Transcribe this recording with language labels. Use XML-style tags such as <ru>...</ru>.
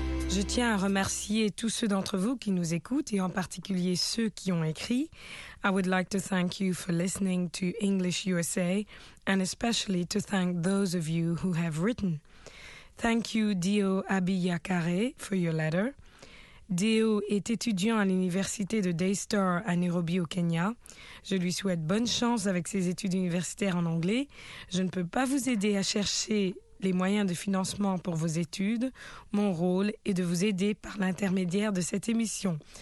<fr>Je tiens à remercier tous ceux d'entre vous qui nous écoutent et en particulier ceux qui ont écrit.</fr> <en>I would like to thank you for listening to English USA and especially to thank those of you who have written. Thank you, Dio Abiyakare, for your letter.</en> <fr>Dio est étudiant à l'université de Daystar à Nairobi au Kenya. Je lui souhaite bonne chance avec ses études universitaires en anglais. Je ne peux pas vous aider à chercher les moyens de financement pour vos études. Mon rôle est de vous aider par l'intermédiaire de cette émission.</fr>